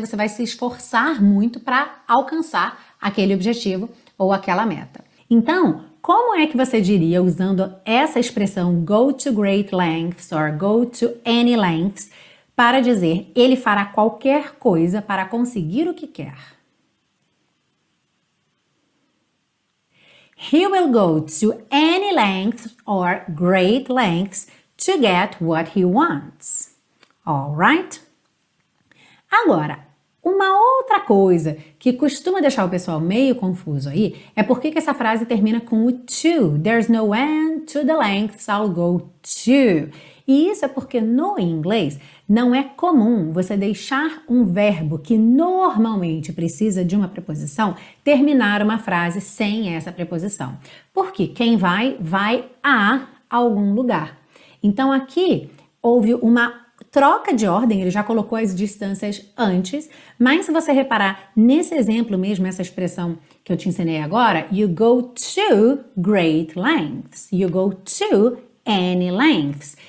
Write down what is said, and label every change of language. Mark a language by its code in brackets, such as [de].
[pt] Você vai se esforçar muito para alcançar aquele objetivo ou aquela meta. Então, como é que você diria, usando essa expressão [en] go to great lengths or go to any lengths, [pt] para dizer ele fará qualquer coisa para conseguir o que quer? [en] He will go to any lengths or great lengths to get what he wants. Alright? [pt] Agora, uma outra coisa que costuma deixar o pessoal meio confuso aí é por que essa frase termina com o to. [en] There's no end to the lengths I'll go to. [pt] E isso é porque no inglês não é comum você deixar um verbo que normalmente precisa de uma preposição terminar uma frase sem essa preposição. Porque quem vai, vai a algum lugar. Então aqui houve uma troca de ordem, ele já colocou as distâncias antes, mas se você reparar nesse exemplo mesmo, essa expressão que eu te ensinei agora, [en] you go to great lengths, you go to any lengths.